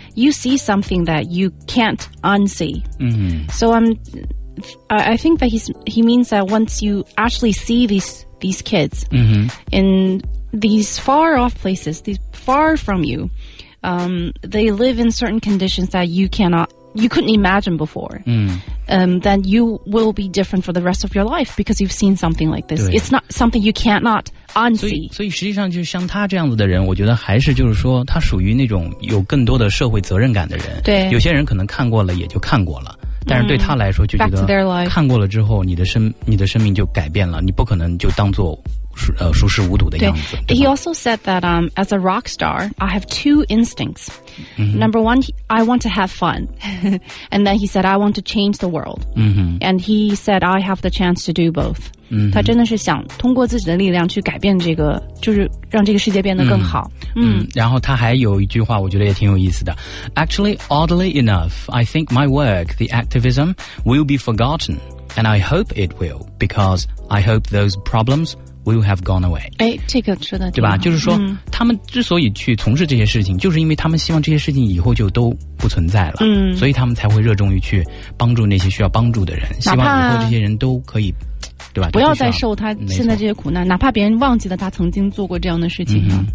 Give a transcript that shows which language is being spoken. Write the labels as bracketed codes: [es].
[en] You see something that you can't unsee. So I think that he means that once you actually see these kids in these far off places, these far from you, they live in certain conditions that you couldn't imagine before. Then you will be different for the rest of your life because you've seen something like this. It's not something you cannot unsee. [zh] 所以实际上就是像他这样子的人，我觉得还是就是说他属于那种有更多的社会责任感的人。对，有些人可能看过了也就看过了。但是对他来说就觉得看过了之后你的生命就改变了你不可能就当做熟视无睹的样子 [en] He also said that as a rock star I have 2 instincts Number one I want to have fun And then he said I want to change the world And he said I have the chance to do both [zh] 他真的是想通过自己的力量去改变这个就是让这个世界变得更好然后他还有一句话我觉得也挺有意思的 [en] Actually, oddly enough I think my work, the activism will be forgotten And I hope it will Because I hope those problems will have gone away. [zh] 哎，这个说的对吧？就是说，他们之所以去从事这些事情，就是因为他们希望这些事情以后就都不存在了。所以他们才会热衷于去帮助那些需要帮助的人，希望以后这些人都可以，对吧？不要再受他现在这些苦难，哪怕别人忘记了他曾经做过这样的事情。